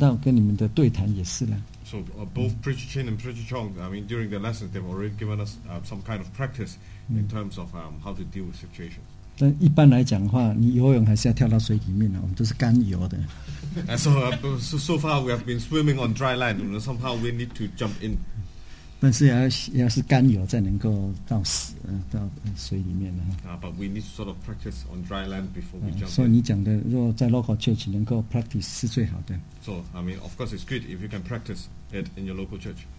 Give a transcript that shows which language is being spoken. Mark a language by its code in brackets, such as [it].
[en] So both Preacher Chin and Preacher Chong, I mean, during their lessons, they've already given us some kind of practice in terms of how to deal with situations. [zh] 但一般来讲的话, 你游泳还是要跳到水里面, 我们都是干游的。 [en] And so, so far, we have been swimming on dry land. You know, somehow, we need to jump in. [zh] 但是要是干游才能够到水里面。 [en] But we need to sort of practice on dry land before we jump in. [zh] 所以你讲的, 若在local church, 能够practice是最好的。 [en] So, I mean, of course, it's good if you can practice it in your local church.